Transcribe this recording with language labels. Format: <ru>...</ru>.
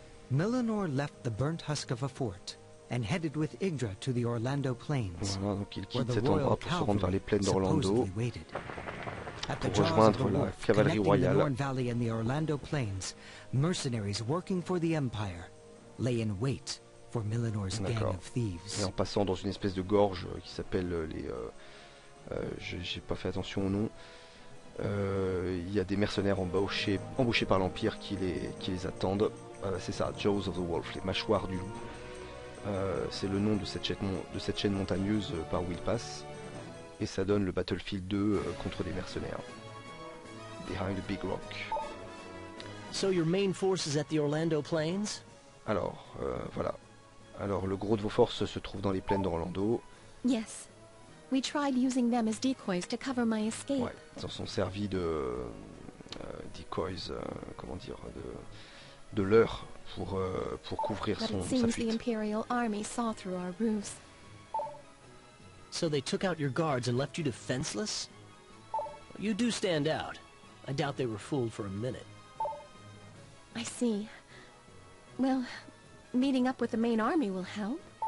<en>Millenor left the burnt husk of a fort and headed with Yggdra to the Orlando Plains, where the Royal Cavalry supposedly waited. At the jaws of the wharf connecting the Norn Valley and the Orlando Plains, mercenaries working for the Empire lay in wait for Millenor's gang of thieves.</en> <fr>Et en passant dans une espèce de gorge qui s'appelle les... j'ai pas fait attention au nom. Il y a des mercenaires embauchés par l'Empire qui les attendent. C'est ça, Jaws of the Wolf, les mâchoires du loup. C'est le nom de cette chaîne montagneuse par où il passe. Et ça donne le Battlefield 2 contre des mercenaires.</fr> <en>Behind the Big Rock. So your main force is at the Orlando Plains?</en> <fr>Alors, voilà. Alors, le gros de vos forces se trouve dans les plaines d'Orlando.</fr> <en>Yes. We tried using them as decoys to cover my escape.</en> <fr>Ouais, ils en sont servis de decoys, comment dire, de leurres pour couvrir</fr> <en>But</en> <fr>son sa fuite.</fr> <en>The Imperial Army saw through our roofs. So they took out your guards and left you defenseless? You do stand out. I doubt they were fooled for a minute. I see. Well, meeting up with the main army will help.</en>